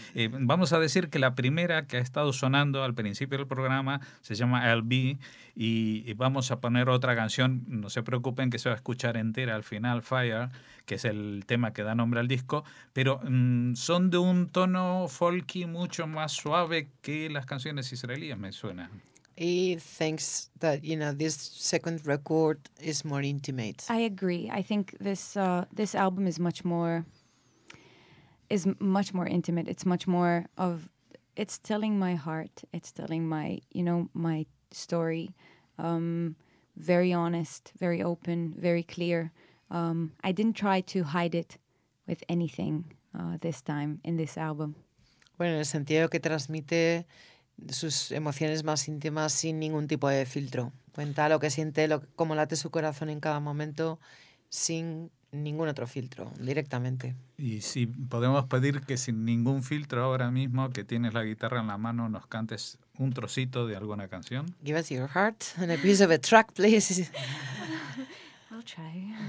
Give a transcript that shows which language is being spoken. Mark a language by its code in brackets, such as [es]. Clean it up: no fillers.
[es] Vamos a decir que la primera que ha estado sonando al principio del programa se llama I'll Be, y vamos a poner otra canción, no se preocupen que se va a escuchar entera al final, Fire, que es el tema que da nombre al disco, pero son de un tono folky mucho más suave que las canciones israelíes, me suena. [en] He thinks that, you know, this second record is more intimate. I agree. I think this album is much more intimate. It's much more of, it's telling my heart. It's telling my, you know, my story. Very honest, very open, very clear. I didn't try to hide it with anything this time in this album. [es] Bueno, en el sentido que transmite... sus emociones más íntimas sin ningún tipo de filtro. Cuenta lo que siente, cómo late su corazón en cada momento sin ningún otro filtro, directamente. Y si podemos pedir que sin ningún filtro ahora mismo, que tienes la guitarra en la mano, nos cantes un trocito de alguna canción. [en] Give us your heart and a piece of a track, please. I'll try.